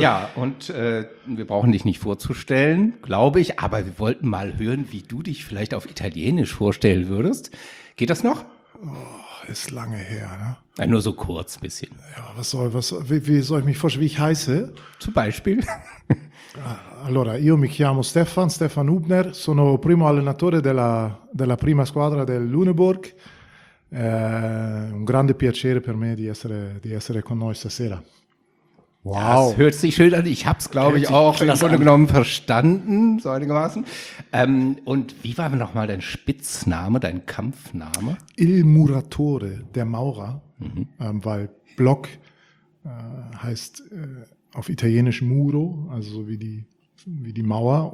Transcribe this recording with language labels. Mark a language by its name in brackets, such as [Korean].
[German] Ja, und wir brauchen dich nicht vorzustellen, glaube ich, aber wir wollten mal hören, wie du dich vielleicht auf Italienisch vorstellen würdest. Geht das noch? Oh, ist lange her, ne? Ja, nur so kurz ein bisschen. Ja, wie soll ich mich vorstellen, wie ich heiße? Zum Beispiel. [Italian] Allora, io mi chiamo Stefan Hübner, sono primo allenatore della prima squadra del Lüneburg. Un grande piacere per me di essere con noi stasera. [German] Wow. Das hört sich schön an. Ich habe es, glaube ich, auch im Grunde genommen verstanden, so einigermaßen. Und wie war noch mal dein Spitzname, dein Kampfname? Il Muratore, der Maurer, weil Block heißt auf Italienisch Muro, also so wie die Mauer.